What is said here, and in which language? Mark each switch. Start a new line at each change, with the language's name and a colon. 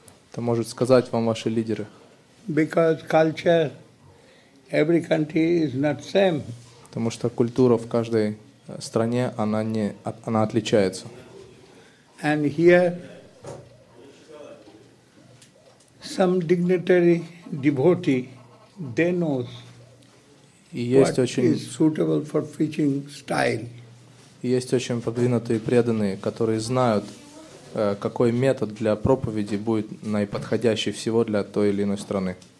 Russian: Это может сказать вам ваши лидеры.
English: Because culture, every country is not same.
Russian: Потому что культура в каждой стране она отличается.
English: And here, some dignitary devotee, they knows what is suitable for preaching style.
Russian: Есть очень продвинутые преданные, которые знают, какой метод для проповеди будет наиподходящий всего для той или иной страны.